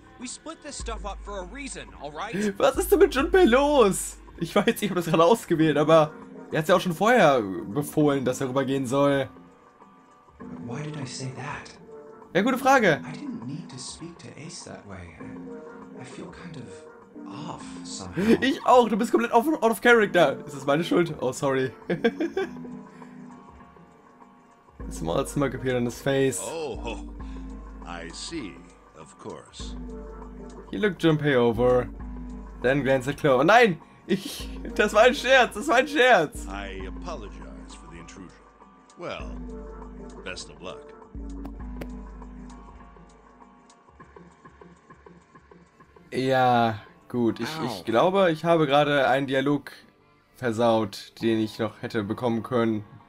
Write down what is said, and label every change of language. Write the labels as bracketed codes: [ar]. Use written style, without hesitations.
[en] We split this stuff up for a reason, alright? [de] Was ist denn mit Junpei los? Ich weiß, ich habe das gerade ausgewählt, aber er hat es ja auch schon vorher befohlen, dass er rübergehen soll. [en] Why did I say that? [de] Ja, gute Frage. [en] I didn't need to speak to Ace that way. I feel kind of off somehow. [de] Ich auch, du bist komplett [en] out of character. [de] Ist das meine Schuld? Oh, sorry. [en] Small smirk appeared on his face. Oh, I see, of course. He looked Junpei over, then glanced at Chloe. [de] Oh nein! Das war ein Scherz, das war ein Scherz! [en] I apologize for the intrusion. Well, best of luck. [de] Ja, gut. Ich glaube, ich habe gerade einen Dialog versaut, den ich noch hätte bekommen können.